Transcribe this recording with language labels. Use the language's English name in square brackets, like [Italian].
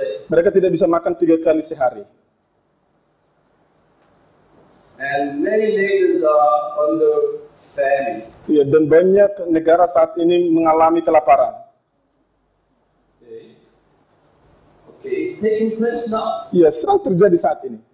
[Indonesian] Mereka tidak bisa makan 3 kali sehari. [English] And many nations are under famine. [Indonesian] Ya, dan banyak negara saat ini mengalami kelaparan. [English] Okay. Taking place now. [Indonesian] Ya, sedang terjadi saat ini.